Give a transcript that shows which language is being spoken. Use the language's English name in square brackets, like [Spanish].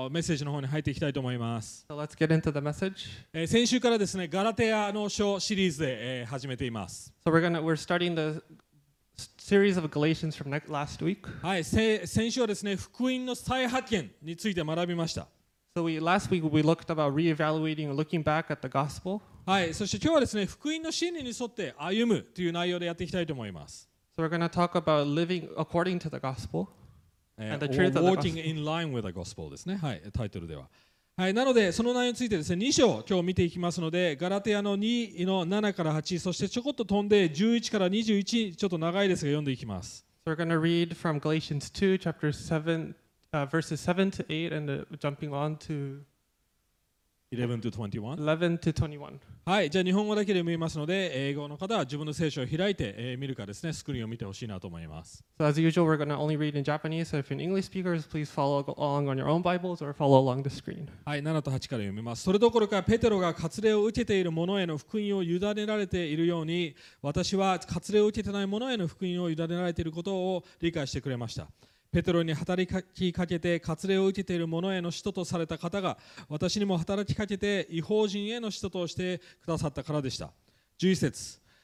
[Japanese] メッセージの方に入っていきたいと思います。 [English] So、let's get into the message. [Japanese] 先週からですね、ガラテヤの書シリーズで、始めています。 [English] So、we're starting the series of Galatians from last week. [Japanese] はい、先週はですね、福音の再発見について学びました。 [English] So last week we looked about reevaluating and looking back at the gospel. [Japanese] はい、そして今日はですね、福音の真理に沿って歩むという内容でやっていきたいと思います。 [English] So we're going to talk about living according to the gospel. And the truth of walking in line with the gospel [Japanese] ですね。はい、タイトルでは。はい、なのでその内容についてですね、2章今日見ていきますので、ガラテヤの2の7から8、そしてちょこっと飛んで11から21、ちょっと長いですが読んでいきます。 [English] So we're going to read from Galatians 2, chapter 7. Verses 7 to 8 and jumping on to 11 to 21. [Japanese] はい、じゃあ日本語だけで見ますので、英語の方は自分の聖書を開いて、見るかですね、スクリーンを見てほしいなと思います。 [English] So as usual we're going to only read in Japanese, so if you're an English speaker please follow along on your own Bibles or follow along the screen. [Japanese] はい、7と8から読みます。それどころかペテロが割礼を受けている者への福音を委ねられているように、私は割礼を受けてない者への福音を委ねられていることを理解してくれました。ペテロに働きかけて割礼を受けている者への使徒とされた方が、私にも働きかけて異邦人への使徒としてくださったからでした。11節。